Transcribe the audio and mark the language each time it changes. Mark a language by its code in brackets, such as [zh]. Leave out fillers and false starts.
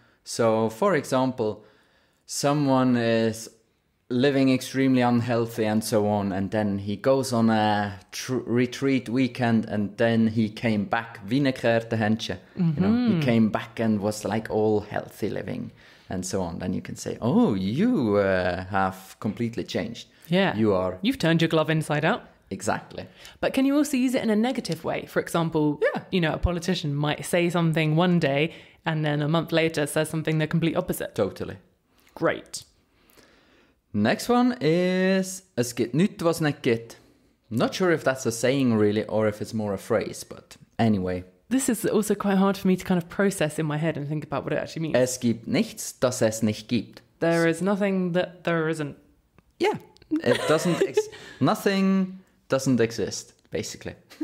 [en] So, for example, someone is living extremely unhealthy and so on, and then he goes on a retreat weekend and then he came back, [de] Wienerkehrte Händchen, [en] you know, he came back and was like all healthy living and so on. Then you can say, oh, you have completely changed. Yeah. You are. You've turned your glove inside out. Exactly. But can you also use it in a negative way? For example, you know, a politician might say something one day and then a month later says something the complete opposite. Totally. Great. Next one is, [gsw] es geht nüt, was nicht geht. [en] Not sure if that's a saying really or if it's more a phrase, but anyway. This is also quite hard for me to kind of process in my head and think about what it actually means. [de] Es gibt nichts, das es nicht gibt. [en] There is nothing that there isn't. Yeah. It doesn't nothing doesn't exist, basically.